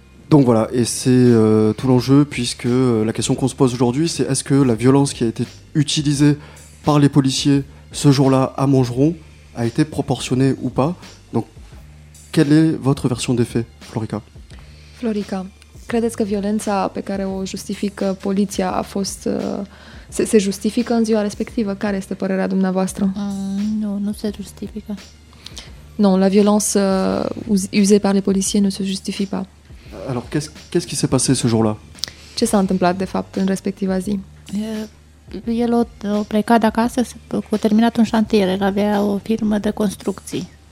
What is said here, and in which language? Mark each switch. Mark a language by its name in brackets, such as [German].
[French] Donc voilà, et c'est tout l'enjeu, puisque la question qu'on se pose aujourd'hui, c'est est-ce que la violence qui a été utilisée par les policiers ce jour-là à Montgeron a été proportionnée ou pas ? Donc, quelle est votre version des faits, Florica ? [Romanian] Florica, credeți că violența pe care o justifică poliția a fost... Se justifică în ziua respectivă? Care este părerea dumneavoastră? Nu se justifică. [French] Non, la violence usée par les policiers ne se justifie pas. Alors, qu'est-ce qui s'est passé ce jour-là? [Romanian] Ce s-a întâmplat, de fapt, în respectiva zi? El a plecat de acasă, a terminat un șantier, el avea o firmă de construcții.